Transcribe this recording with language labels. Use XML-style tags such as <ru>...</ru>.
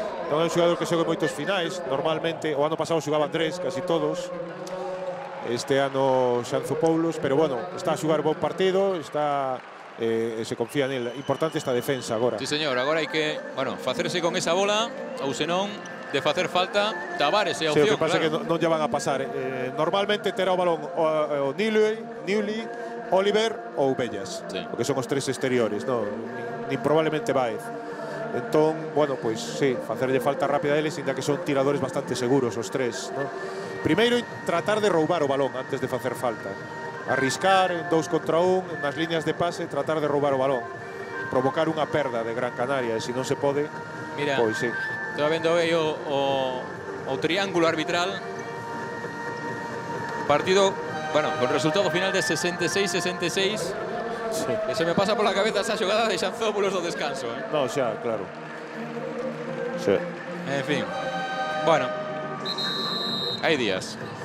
<es>No es un jugador que</es> <gl>xogue moitos finais, normalmente, o ano pasado xogaba tres, casi todos. Este ano Xanzopoulos, pero bueno, está a xogar buen partido, está,</gl> <es>se confía en él. Importante esta defensa ahora. Sí, señor, ahora hay que,</es> <gl>bueno, facerse con esa bola, ou senón, de facer falta, Tavares, opción, claro.</gl> <es>Sí, lo que pasa que no ya van a pasar.</es> <gl>Normalmente terá o balón o Newley, Oliver ou Bellas, sí. Porque son os tres exteriores, ¿no? Ni probablemente Baez. Entón, bueno, pues sí, facerle falta rápida a eles, inda que son tiradores bastante seguros os tres, ¿no? Primeiro, tratar de roubar o balón antes de facer falta. Arriscar en dous contra un, nas líneas de pase, tratar de roubar o balón. Provocar unha perda de Gran Canaria, e se non se pode, mira, pois sí. Estou vendo aí o triángulo arbitral. Partido, bueno, con resultado final de 66-66. Sí.</gl> <es>Se me pasa por la cabeza esa xogada de Xanzópolos do descanso.</es> <gl>No, xa, claro. Sí.</gl> <es>En fin, bueno. Hay días.</es>